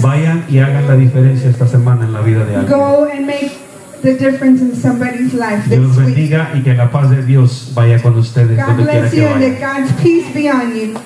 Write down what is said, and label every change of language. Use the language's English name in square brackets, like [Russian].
[Spanish] Vayan y hagan la diferencia esta semana en la vida de alguien. [English] Go and make the difference in somebody's life this week. [Spanish] Dios bendiga [English] week. [Spanish] Y que la paz de Dios vaya con ustedes. [English] God bless you and that God's peace be on you.